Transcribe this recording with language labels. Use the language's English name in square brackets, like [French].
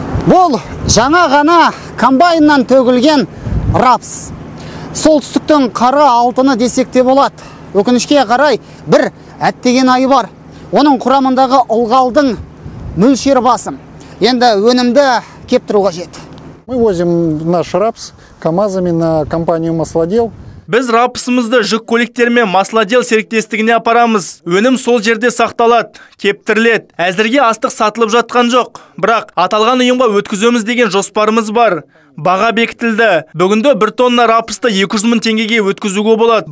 [Kazakh] Бұл жаңа ғана комбайннан төгілген рапс. Солтүстіктің қара алтыны десек те болады. Өкінішке қарай бір әттеген ай бар. Оның құрамындағы ылғалдың мөлшері басым. Енді өнімді кептіруге жет. [Russian] Мы возим наш рапс КамАЗами на компанию «Маслодел». [Kazakh] Біз рапысымызды жүк көліктермен масладел серіктестігіне апарамыз. Өнім сол жерде сақталады, кептірлет. Әзірге астық сатылып жатқан жоқ. Бірақ аталған ұйымға өткіземіз деген жоспарымыз бар. Баға бекітілді. Бүгінде бір тонна рапысты 200 мың теңгеге өткізуге болады.